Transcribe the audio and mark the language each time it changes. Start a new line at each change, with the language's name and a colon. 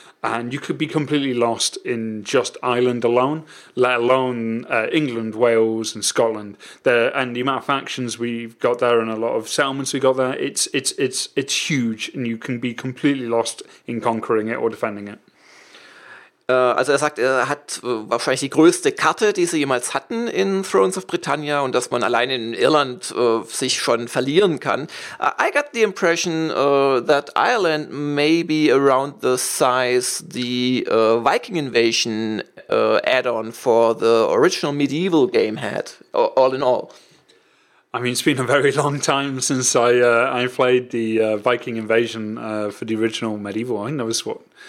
English: And you could be completely lost in just Ireland alone, let alone England, Wales and Scotland. And the amount of factions we've got there and a lot of settlements we got there, it's huge. And you can be completely lost in conquering it or defending it.
German: Also er sagt, er hat wahrscheinlich die größte Karte, die sie jemals hatten in Thrones of Britannia, und dass man allein in Irland sich schon verlieren kann.
English: I got the impression that Ireland may be around the size the Viking invasion add-on for the original medieval game had, all in all. I mean, it's been a very long time since I played the Viking invasion for the original medieval. I think that was what...